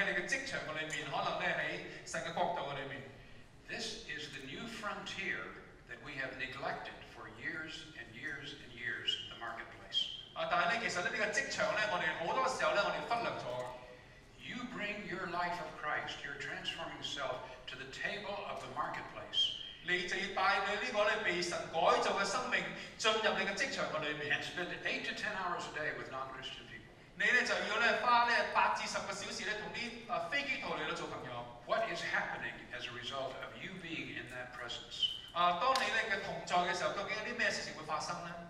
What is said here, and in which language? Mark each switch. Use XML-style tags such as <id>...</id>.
<yue>神咧，其實咧，俾我哋每一個人嘅生命裏面都有個特別嘅呼召，可能咧喺你嘅職場裏面，可能咧喺神嘅國度裏面。</yue> <en>This is the new frontier that we have neglected. Years and years and years in the marketplace.</en> <yue>但係咧，其實咧呢個職場咧，我哋好多時候咧，我哋忽略咗。</yue> <en>You bring your life of Christ, your transforming self, to the table of the marketplace.</en> <yue>你就要帶你呢個咧被神改造嘅生命進入你嘅職場嘅裏面。</yue> <en>And spend 8 to 10 hours a day with non-Christian people.</en> <yue>你咧就要咧花咧8至10個小時咧同啲非基督徒嚟到做朋友。</yue> <en>What is happening as a result of you being in that presence?</en> <yue>當你咧嘅同在嘅時候，究竟有啲咩事情會發生咧？</yue>